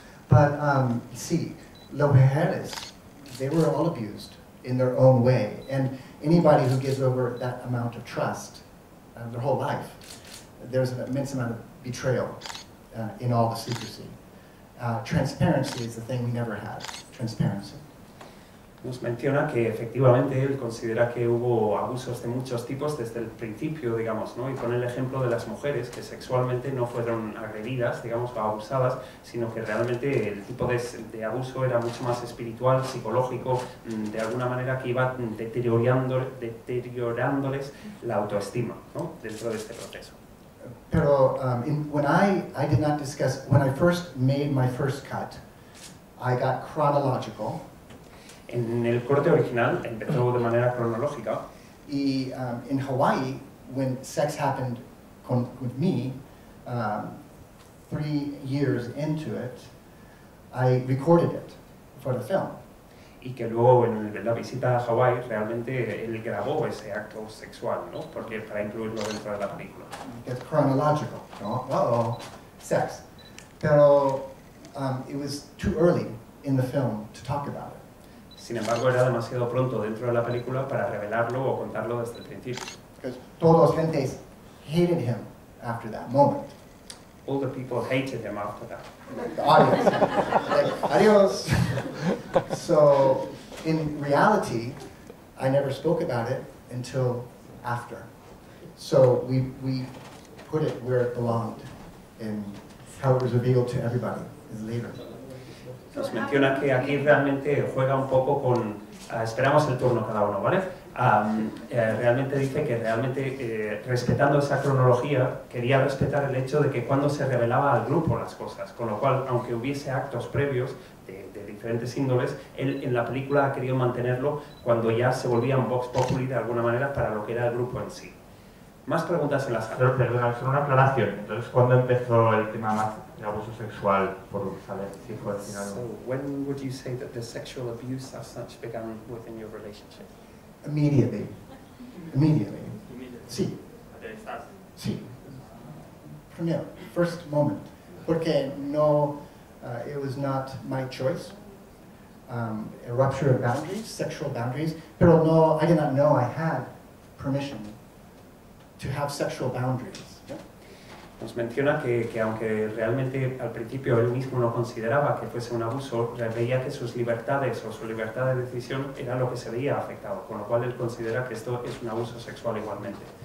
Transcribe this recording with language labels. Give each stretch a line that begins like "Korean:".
English: But
Spanish: sí, los mujeres,
English: they were all abused in their own way. And anybody who gives over that amount of trust their whole life, there's an immense amount of betrayal in all the secrecy. Transparency is the thing we never had, transparency.
Spanish: Nos menciona que efectivamente él considera que hubo abusos de muchos tipos desde el principio, digamos, ¿no? Y pone el ejemplo de las mujeres que sexualmente no fueron agredidas, digamos, o abusadas, sino que realmente el tipo de abuso era mucho más espiritual, psicológico, de alguna manera que iba deteriorándoles la autoestima, ¿no? Dentro de este proceso. Pero
English: when I did not discuss, when I first made my first cut, I got chronological.
Spanish: En el corte original empezó de manera cronológica. Y en
English: Hawaii, when sex happened with me, 3 years into it, I recorded it for the film.
Spanish: Y que luego en la visita a Hawaii realmente él grabó ese acto sexual, ¿no? Porque para incluirlo dentro de la película.
English: It's chronological, ¿no? Sex.
Spanish: Pero
English: it was too early in the film to talk about it.
Spanish: Sin embargo, era demasiado pronto dentro de la película para revelarlo o contarlo desde el principio. Porque todos los gentes
English: hated him after that moment. all the people hated him after that. The audience. Adios. So in reality, I never spoke about it until after. So we put it where it belonged and how it was revealed to everybody is later.
Spanish: Nos menciona que aquí realmente juega un poco con, esperamos el turno cada uno, ¿vale? Realmente dice que realmente respetando esa cronología quería respetar el hecho de que cuando se revelaba al grupo las cosas, con lo cual aunque hubiese actos previos de diferentes índoles, él en la película ha querido mantenerlo cuando ya se volvía un vox populi de alguna manera para lo que era el grupo en sí. Más preguntas en la sala. Perdona, solo una aclaración. Entonces, ¿cuándo empezó el tema más de abuso sexual por saber si fue al final?
English: So, when would you say that the sexual abuse as such began within your relationship? Immediately. Immediately. Immediately.
Spanish: Sí. Sí. Primero,
English: first moment.
Spanish: Porque no,
English: it was not my choice. A rupture of boundaries, sexual boundaries.
Spanish: Pero no,
English: I did not know I had permission to have sexual boundaries.
Spanish: Nos menciona que aunque realmente al principio él mismo no consideraba que fuese un abuso, veía que sus libertades o su libertad de decisión era lo que se veía afectado, con lo cual él considera que esto es un abuso sexual igualmente.